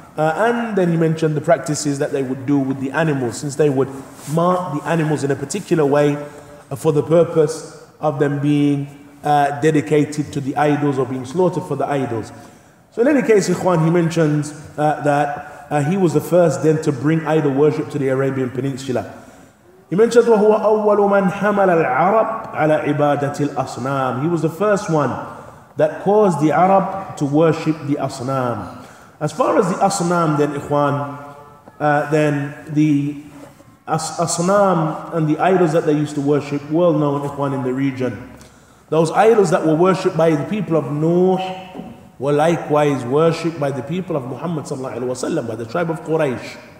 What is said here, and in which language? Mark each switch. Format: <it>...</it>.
<en>And then he mentioned the practices that they would do with the animals, since they would mark the animals in a particular way for the purpose of them being dedicated to the idols or being slaughtered for the idols. So in any case, Ikhwan, he mentions that he was the first then to bring idol worship to the Arabian Peninsula. He mentions,</en> <ar>وَهُوَ أَوَّلُ مَنْ حَمَلَ الْعَرَبُ عَلَىٰ عِبَادَةِ الْأَصْنَامِ.</ar> <en>He was the first one that caused the Arab to worship the Asnam. As far as the Asnam then, Ikhwan, then the Asnam and the idols that they used to worship, well known, Ikhwan, in the region. Those idols that were worshipped by the people of Nuh were likewise worshipped by the people of Muhammad sallallahu alaihi wasallam, by the tribe of Quraysh.</en>